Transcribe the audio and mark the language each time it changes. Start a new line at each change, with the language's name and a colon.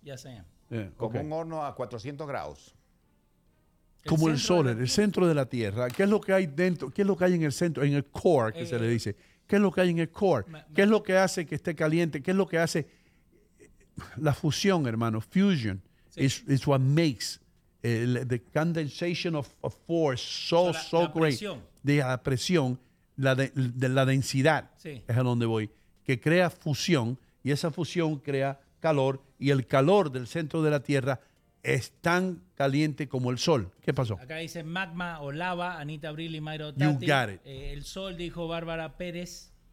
English: Yes, I am.
Spanish: Como okay. Un horno a 400 grados. Como el sol, en el centro de la Tierra. ¿Qué es lo que hay dentro? ¿Qué es lo que hay en el centro? En el core, que se le dice. ¿Qué es lo que hay en el core? ¿Qué es lo que hace que esté caliente? ¿Qué es lo que hace la fusión, hermano? Fusion sí.
English: Is what makes the condensation of force so great.
Spanish: La presión. La densidad sí. Es a donde voy. Que crea fusión y esa fusión crea calor y el calor del centro de la Tierra es tan caliente como el sol. ¿Qué pasó? Acá dice magma o lava, Anita Abril y Mayro Tati.
English: You got it.
Spanish: El sol, dijo Bárbara Pérez.